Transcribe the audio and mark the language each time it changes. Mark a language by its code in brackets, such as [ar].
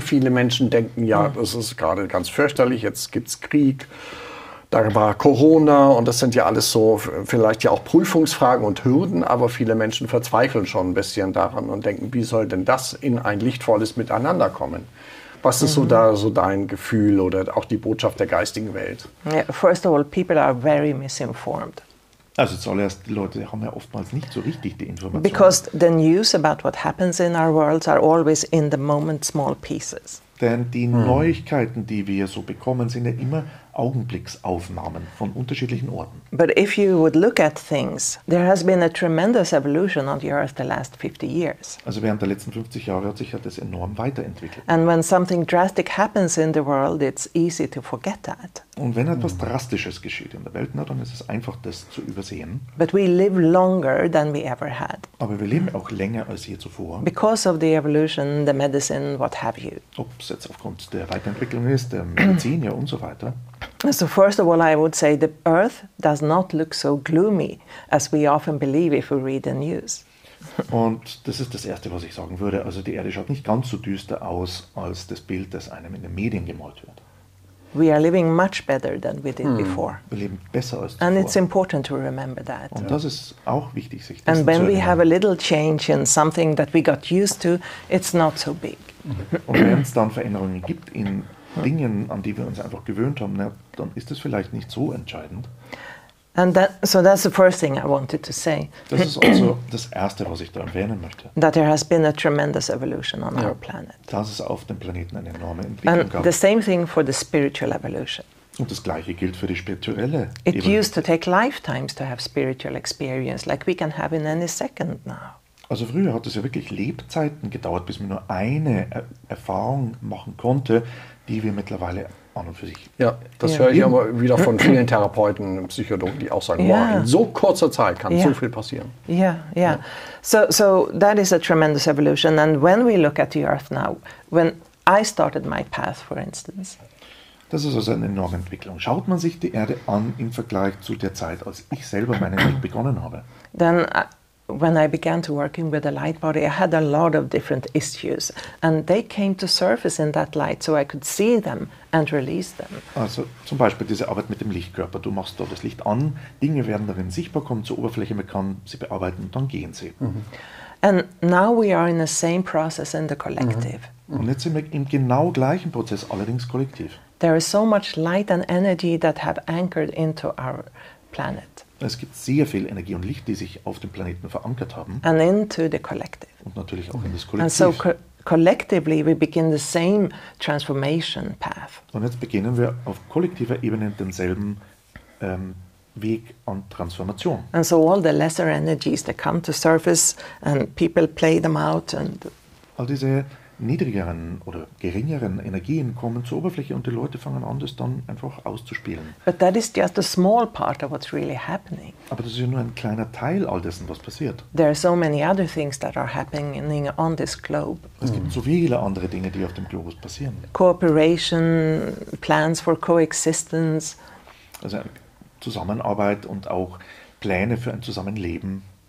[de] Viele Menschen denken, ja, das ist gerade ganz fürchterlich. Jetzt gibt es Krieg, da war Corona und das sind ja alles so vielleicht ja auch Prüfungsfragen und Hürden. Aber viele Menschen verzweifeln schon ein bisschen daran und denken, wie soll denn das in ein lichtvolles Miteinander kommen? Was ist so da so dein Gefühl oder auch die Botschaft der geistigen Welt? [en] Yeah, first of all, people are very misinformed. [de] Also zuallererst, die Leute haben ja oftmals nicht so richtig die Informationen. [en] Because the news about what happens in our world are always in the moment small pieces. [de] Denn die Neuigkeiten, die wir so bekommen, sind ja immer Augenblicksaufnahmen von unterschiedlichen Orten. [en] But if you would look at things, there has been a tremendous evolution on the earth the last 50 years. [de] Also während der letzten 50 Jahre hat sich ja das enorm weiterentwickelt. [en] And when something drastic happens in the world, it's easy to forget that. [de] Und wenn etwas Drastisches geschieht in der Welt, na, dann ist es einfach, das zu übersehen. [en] But we live longer than we ever had. [de] Aber wir leben auch länger als je zuvor. [en] Because of the evolution, the medicine, what have you. [de] Ob es jetzt aufgrund der Weiterentwicklung ist, der Medizin ja und so weiter. [en] So first of all, I would say the earth does not look so gloomy as we often believe if we read the news. [de] Und das ist das Erste, was ich sagen würde. Also die Erde schaut nicht ganz so düster aus, als das Bild, das einem in den Medien gemalt wird. [en] We are living much better than we did before. [de] Wir leben besser als zuvor. [en] And it's important to remember that. [de] Und das ist auch wichtig, sich dessen zu erinnern. [en] And when we have a little change in something that we got used to, it's not so big. [de] Und wenn es dann Veränderungen gibt in Dingen, an die wir uns einfach gewöhnt haben, na, dann ist es vielleicht nicht so entscheidend. [en] And that, so that's the first thing I wanted to say. [de] Das ist also das Erste, was ich da erwähnen möchte. [en] That there has been a tremendous evolution on our planet. [de] Dass es auf dem Planeten eine enorme Entwicklung [en] and [de] gab. [en] The same thing for the spiritual evolution. [de] Und das Gleiche gilt für die spirituelle [en] It Ebene. Used to take lifetimes to have spiritual experience, like we can have in any second now. [de] Also früher hat es ja wirklich Lebzeiten gedauert, bis man nur eine Erfahrung machen konnte, die wir mittlerweile an und für sich. Ja, das höre ich aber wieder von vielen Therapeuten, Psychologen, die auch sagen, wow, in so kurzer Zeit kann so viel passieren. [en] Ja. So that is a tremendous evolution. And when we look at the Earth now, when I started my path, for instance. [de] Das ist also eine enorme Entwicklung. Schaut man sich die Erde an im Vergleich zu der Zeit, als ich selber meinen Weg begonnen habe. [en] Then when I began to working with the light body, I had a lot of different issues. And they came to surface in that light, so I could see them and release them. [de] Also zum Beispiel diese Arbeit mit dem Lichtkörper. Du machst dort das Licht an, Dinge werden darin sichtbar, kommen zur Oberfläche, man kann sie bearbeiten und dann gehen sie. Mm-hmm. [en] And now we are in the same process in the collective. [de] Mm-hmm. Und jetzt sind wir im genau gleichen Prozess, allerdings kollektiv. [en] There is so much light and energy that have anchored into our planet. [de] Es gibt sehr viel Energie und Licht, die sich auf dem Planeten verankert haben. [en] And into the collective. [de] Und natürlich auch in das Kollektiv. [en] And so collectively we begin the same transformation path. [de] Und jetzt beginnen wir auf kollektiver Ebene denselben Weg an Transformation. [en] And so all the lesser energies that come to surface and people play them out and [de] all diese niedrigeren oder geringeren Energien kommen zur Oberfläche und die Leute fangen an, das dann einfach auszuspielen. [en] But that is just a small part of what's really happening. [de] Aber das ist ja nur ein kleiner Teil all dessen, was passiert. [en] There are so many other things that are happening on this globe. [de] Es gibt so viele andere Dinge, die auf dem Globus passieren. [en] Cooperation, plans for coexistence. [de] Also Zusammenarbeit und auch Pläne für ein Zusammenleben.